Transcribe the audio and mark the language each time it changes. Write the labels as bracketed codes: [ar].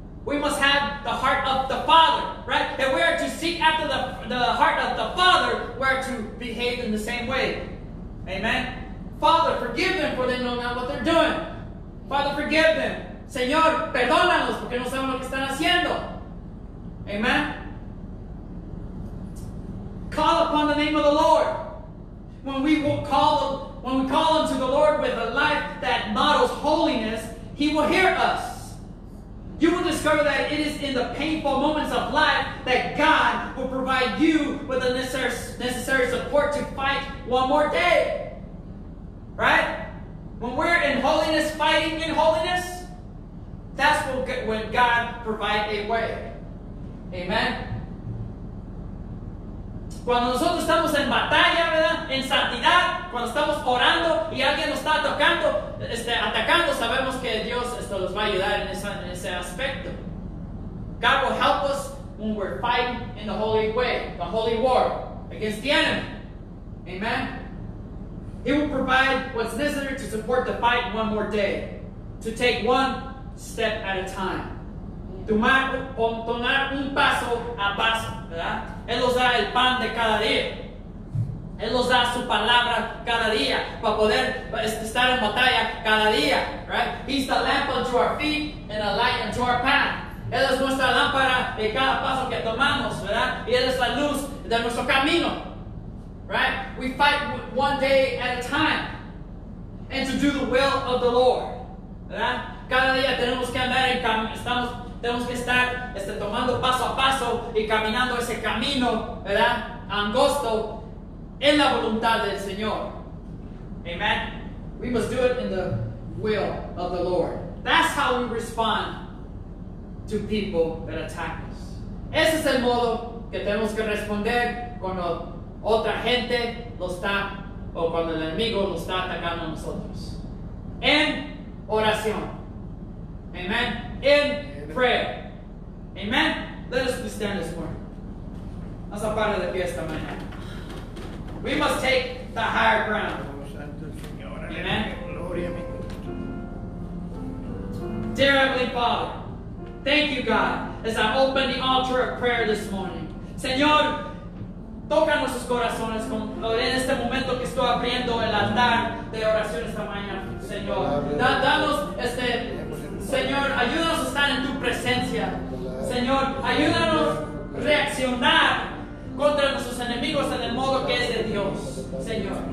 [en] We must have the heart of the Father, right? If we are to seek after the heart of the Father, we are to behave in the same way. Amen? Father, forgive them for they know not what they're doing. Father, forgive them. [es] Señor, perdónalos porque no saben lo que están haciendo. [en] Amen? Call upon the name of the Lord. When we call unto the Lord with a life that models holiness, He will hear us. You will discover that it is in the painful moments of life that God will provide you with the necessary support to fight one more day. Right? When we're in holiness, fighting in holiness, that's when God provides a way. Amen? [es] Cuando nosotros estamos en batalla, ¿verdad? En santidad, cuando estamos orando y alguien nos está tocando, atacando, sabemos que Dios nos va a ayudar en ese aspecto. [en] God will help us when we're fighting in the holy way, the holy war, against the enemy. Amen? He will provide what's necessary to support the fight one more day, to take one step at a time. [es] Tomar un paso a paso, ¿verdad? Él nos da el pan de cada día. Él nos da su palabra cada día para poder estar en batalla cada día, [en] right? He's the lamp unto our feet and a light unto our path. [es] Él es nuestra lámpara en cada paso que tomamos, ¿verdad? Y Él es la luz de nuestro camino, [en] right? We fight one day at a time and to do the will of the Lord, [es] ¿verdad? Cada día tenemos que andar en camino. Tenemos que estar tomando paso a paso y caminando ese camino, ¿verdad? Angosto, en la voluntad del Señor. Amen. [en] We must do it in the will of the Lord. That's how we respond to people that attack us. [es] Ese es el modo que tenemos que responder cuando otra gente lo está, o cuando el enemigo lo está atacando a nosotros. And oración. Amen. [en] In prayer. Amen. Let us stand this morning. That's a part of the fiesta, man. We must take the higher ground. Amen. Dear Heavenly Father, thank you, God, as I open the altar of prayer this morning. [es] Señor, toca nuestros corazones en este momento que estoy abriendo el altar de oración esta mañana, Señor. Danos, Señor, ayúdanos a estar en tu presencia. Señor, ayúdanos a reaccionar contra nuestros enemigos en el modo que es de Dios, Señor.